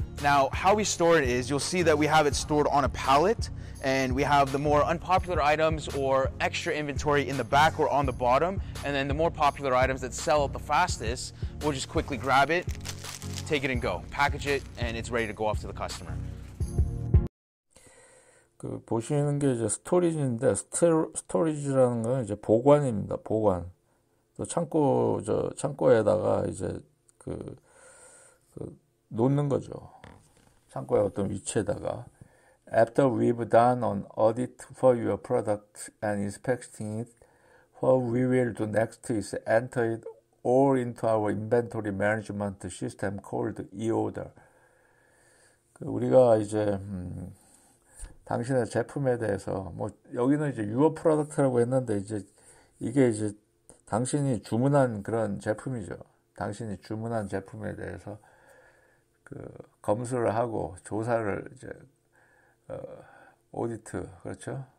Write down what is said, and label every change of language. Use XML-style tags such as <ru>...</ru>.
<en>Now, how we store it is you'll see that we have it stored on a pallet, and we have the more unpopular items or extra inventory in the back or on the bottom, and then the more popular items that sell out the fastest, we'll just quickly grab it, take it and go, package it, and it's ready to go off to the customer.</en> <ko>그 보시는 게 이제 스토리지인데 스토리지라는 건 이제 보관입니다. 보관. 또 창고 저 창고에다가 이제 그 놓는 거죠. 창고의 어떤 위치에다가</ko> <en>After we've done an audit for your product and inspecting it, what we will do next is enter it all into our inventory management system called e-order.</en> <ko>우리가 이제 당신의 제품에 대해서 뭐 여기는 이제 유어 프로덕트라고 했는데 이제 이게 이제 당신이 주문한 그런 제품이죠. 당신이 주문한 제품에 대해서 그 검수를 하고 조사를 이제 오디트 그렇죠?</ko>